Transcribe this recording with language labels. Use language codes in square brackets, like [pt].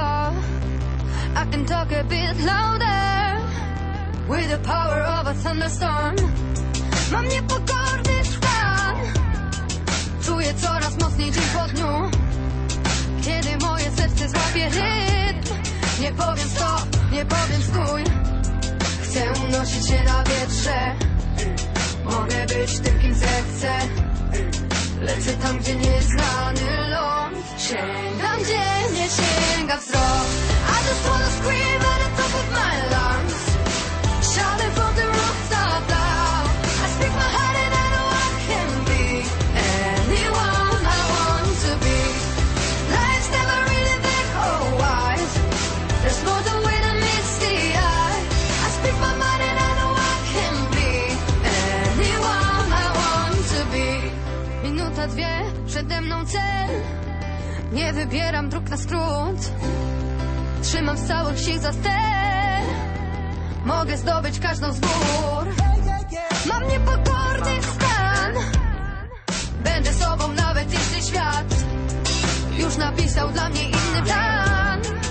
[en] I can talk a bit louder with the power of a thunderstorm. [pl] Mam niepokorny stan, czuję coraz mocniej dzień po dniu. Kiedy moje serce złapie rytm, nie powiem stop, nie powiem stój. Chcę unosić się na wietrze, mogę być tym, kim zechcę. Lecę tam, gdzie nieznany ląd sięgam, gdzie nie sięga wzrok. [en] I just wanna scream at the top of my lungs, shouting from the rooftops of love. I speak my heart and anyone can be anyone I want to be. Life's never really black or white, there's more than way to meets the eye. I speak my mind and anyone can be anyone I want to be. [pl] Minuta, dwie, przede mną cel, nie wybieram dróg na skrót. Trzymam w całych sił za ster, mogę zdobyć każdą z gór. Mam niepokorny stan, będę sobą nawet jeśli świat już napisał dla mnie inny plan.